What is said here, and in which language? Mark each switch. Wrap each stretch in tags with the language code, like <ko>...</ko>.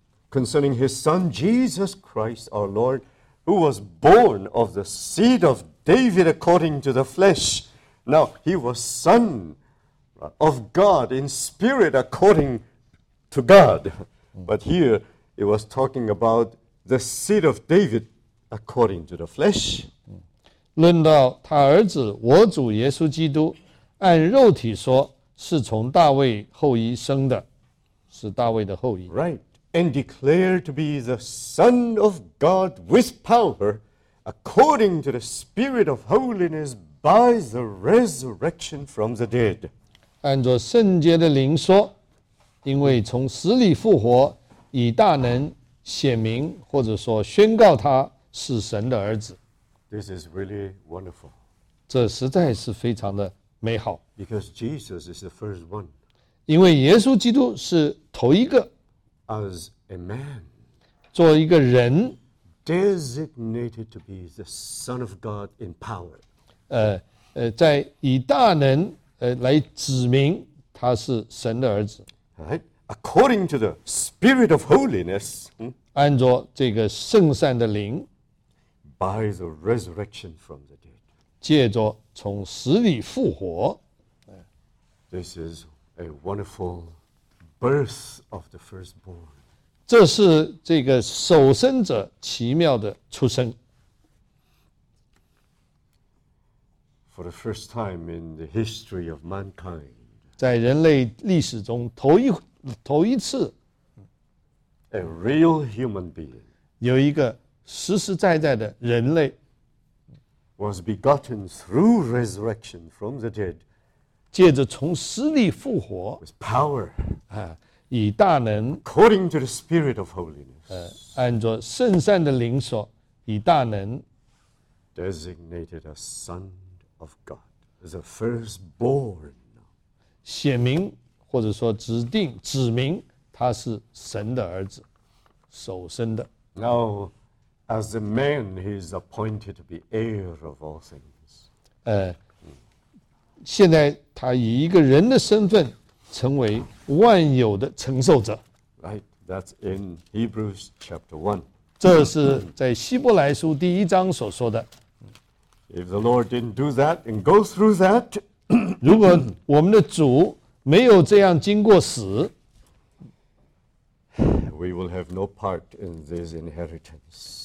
<en>Concerning his son Jesus Christ, our Lord, who was born of the seed of David according to the flesh. Now, he was son of God in spirit according to God. But here,It was talking about the seed of David according to the flesh.</en> <zh>论到他儿子我主耶稣基督按肉体说是从大卫后裔生的是大卫的后裔。</zh> <en>Right. And declared to be the son of God with power according to the spirit of holiness by the resurrection from the dead.</en> <zh>按着圣洁的灵说因为从死里复活以大能显明或者说宣告他是神的儿子。</zh> <en>This is really wonderful.</en> <zh>这实在是非常的美好。</zh> <en>Because Jesus is the first one.</en> <zh>因为耶稣基督是头一个。</zh> <en>As a man.</en> <zh>做一个人。</zh> <en>Designated to be the Son of God in power.</en> <zh>在以大能来指明他是神的儿子。</zh> <en>Right. According to the spirit of holiness,</en> <zh>按着这个圣善的灵</zh> <en>by the resurrection from the dead,</en> <zh>借着从死里复活</zh> <en>This is a wonderful birth of the firstborn.</en> <zh>这是这个首生者奇妙的出生</zh> <en>For the first time in the history of mankind,</en> <zh>在人类历史中头一次</zh> <en>a real human being</en> <zh>有一个实实在在的人类</zh> <en>was begotten through resurrection from the dead</en> <zh>借着从死里复活</zh> <en>with power</en> <zh>以大能</zh> <en>according to the spirit of holiness</en> <zh>按着圣善的灵所以大能</zh> <en>designated a son of God the firstborn</en> <zh>显明或者说指定指明他是神的儿子首生的</zh> <en>Now As a man, he is appointed to be heir of all things.</en> <zh>现在他以一个人的身份成为万有的承受者。</zh> <en>Right, that's in Hebrews chapter 1.</en> <zh>这是在希伯来书第一章所说的。</zh> <en>If the Lord didn't do that and go through that,</en> <zh>如果我们的主没有这样经过死，</zh> <en>we will have no part in this inheritance.</en>